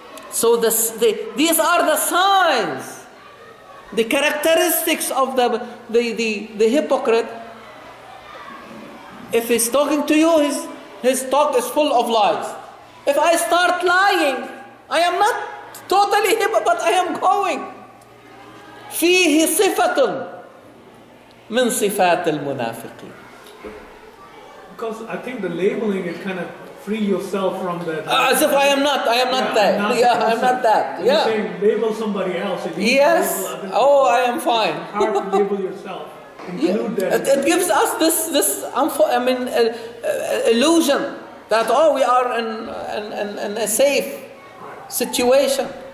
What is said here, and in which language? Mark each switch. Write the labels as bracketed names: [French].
[English] So these are the signs, the characteristics of the hypocrite. If he's talking to you, his talk is full of lies. If I start lying, I am not totally hypocrite, but I am going. [Arabic] فيه صفة من صفات المنافقين. [English] Because I think the labeling is kind of free yourself from that. As if I am not that. I'm not that. Yeah. You're saying label somebody else. Yes. Label, I am fine. It's hard to label yourself. Include that. It gives us this illusion that, oh, we are in a safe situation.